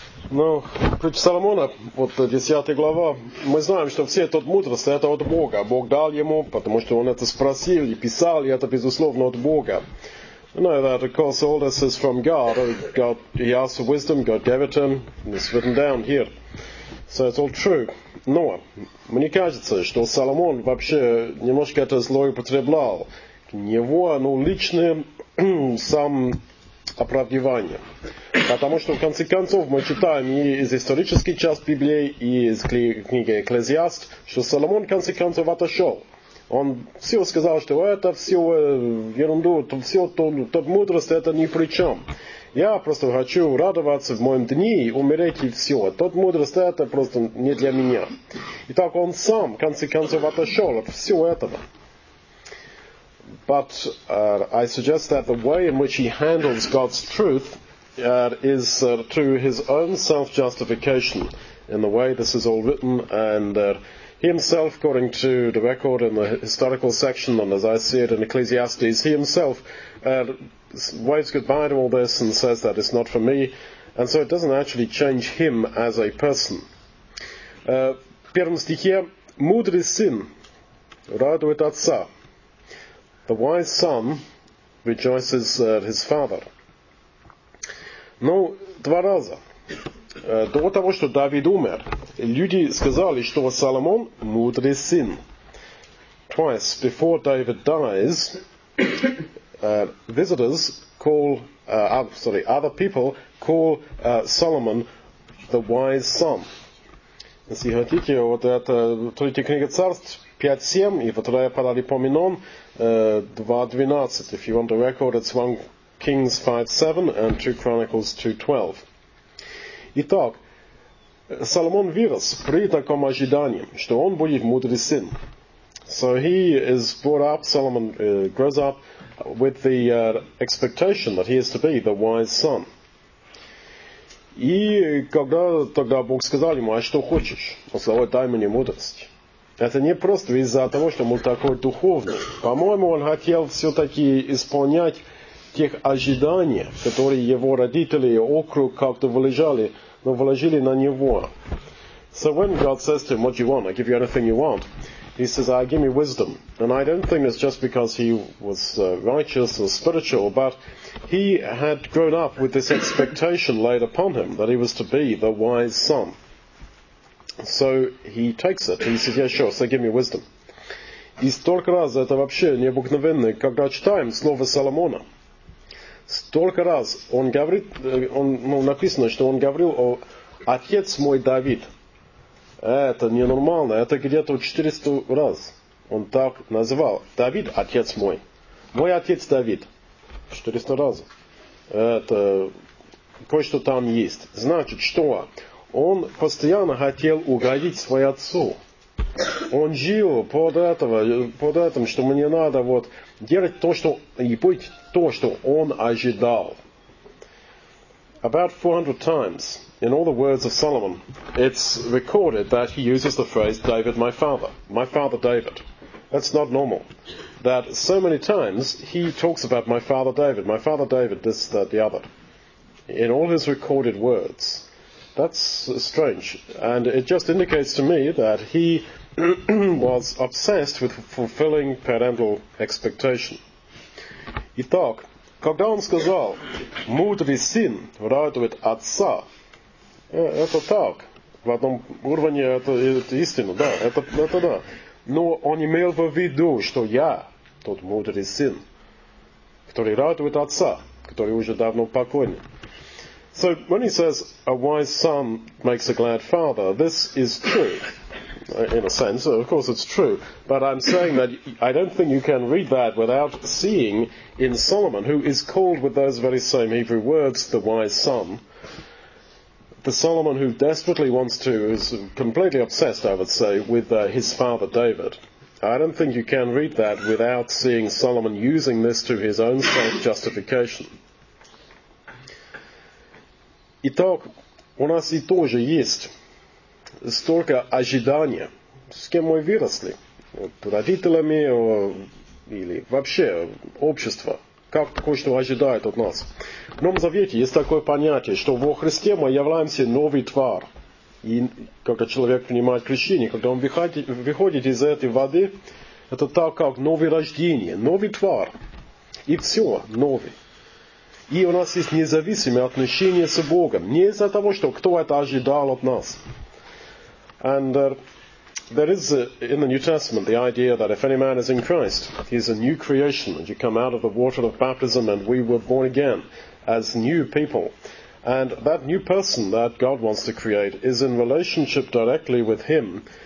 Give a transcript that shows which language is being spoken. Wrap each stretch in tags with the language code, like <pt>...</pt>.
<ru>Ну, притча Соломона, вот 10 глава, мы знаем, что все тот мудрость, это от Бога. Бог дал ему, потому что он это спросил и писал, и это безусловно от Бога.</ru> <en>You know that, of course, all this is from God. God, he asked for wisdom, God gave it him, and it's written down here. So it's all true.</en> <ru>Но, мне кажется, что Соломон вообще немножко это злоупотреблял. К него, ну, лично, сам... оправдывание. Потому что в конце концов мы читаем и из исторической части Библии, и из книги Экклезиаст, что Соломон в конце концов отошел. Он все сказал, что это все ерунду, все то мудрость это ни при чем. Я просто хочу радоваться в моем дне и умереть и все. Тот мудрость это просто не для меня. Итак, он сам в конце концов отошел от всего этого.</ru> <en>But I suggest that the way in which he handles God's truth is through his own self-justification in the way this is all written, and himself, according to the record in the historical section, and as I see it in Ecclesiastes, he himself waves goodbye to all this and says that it's not for me, and so it doesn't actually change him as a person.</en> <ru>Первом стихе, мудрый сын радует отца.</ru> <en>The wise son rejoices his father.</en> <ru>Ну, два раза. До того, что Давид умер, люди сказали, что Соломон мудрый сын.</ru> <en>Twice before David dies, visitors call, other people call Solomon the wise son.</en> <ru>Если хотите, вот это третья книга царств, 5:7, и вторая Паралипоменон, 2:12.</ru> <en>If you want a record, it's 1 Kings 5:7 and 2 Chronicles 2:12.</en> <ru>Итак, Соломон вирос при таком ожидании, что он будет мудрый сын.</ru> <en>So he is brought up, Solomon grows up with the expectation that he is to be the wise son.</en> <ru>И когда тогда Бог сказал ему, а что хочешь? Он сказал, дай мне мудрость. Это не просто из-за того, что он такой духовный. По-моему, он хотел все-таки исполнять тех ожиданий, которые его родители и округ как-то вылежали, но вложили на него.</ru> <en>So when God says to him, what do you want? I'll give you anything you want. He says, I'll give me wisdom. And I don't think it's just because he was righteous or spiritual, but he had grown up with this expectation laid upon him that he was to be the wise son. So he takes it. He says, yeah, sure, so give me wisdom.</en> <ru>И столько раз, это вообще необыкновенно, когда читаем слово Соломона, столько раз он говорит, он, ну, написано, что он говорил о «Отец мой Давид». Это ненормально, это где-то 400 раз он так называл. Давид – отец мой. Мой отец Давид. 400 раз. Это кое-что там есть. Значит, что? Он постоянно хотел угодить своему отцу. Он жил под этим, что мне надо вот делать то, что и быть то, что он ожидал.</ru> <en>About 400 times in all the words of Solomon, it's recorded that he uses the phrase David, my father David. That's not normal. That so many times he talks about my father David, this, that, the other. In all his recorded words. That's strange. And it just indicates to me that he was obsessed with fulfilling parental expectation.</en> <ru>Итак, когда он сказал, мудрый сын радует отца, это так. В одном уровне это истина, да, это да. Но он имел в виду, что я тот мудрый сын, который радует отца, который уже давно покойный.</ru> <en>So when he says a wise son makes a glad father, this is true, in a sense. Of course, it's true. But I'm saying that I don't think you can read that without seeing in Solomon, who is called with those very same Hebrew words, the wise son, the Solomon who desperately wants to, is completely obsessed, I would say, with his father David. I don't think you can read that without seeing Solomon using this to his own self-justification.</en> <ru>Итак, у нас и тоже есть столько ожиданий, с кем мы выросли, вот, родителями или вообще общество, как кое-что ожидает от нас. В Новом Завете есть такое понятие, что во Христе мы являемся новой тварь. И когда человек принимает крещение, когда он выходит из этой воды, это так, как новое рождение, новый тварь. И все новое. И у нас есть независимое отношение с Богом. Не из-за того, что кто это ожидал от нас.</ru> <en>And there is in the New Testament the idea that if any man is in Christ, he is a new creation. And you come out of the water of baptism and we were born again as new people. And that new person that God wants to create is in relationship directly with him.</en>